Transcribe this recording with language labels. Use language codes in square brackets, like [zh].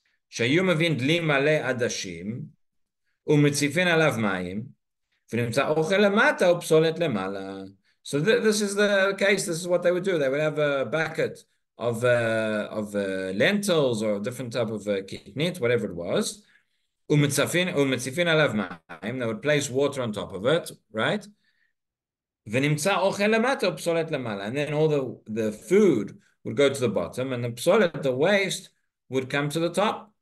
[he] שהיו מבין דלי מלא עדשים, ומציפין עליו מים, ונמצא אוכל למטה ופסולת למעלה. [en] So this is the case, this is what they would do. They would have a bucket of lentils or a different type of kidney, whatever it was. [he] ומציפין עליו מים, [en] they would place water on top of it, right? [he] ונמצא אוכל למטה ופסולת למעלה. [en] And then all the food would go to the bottom, and the psolet, the waste, would come to the top.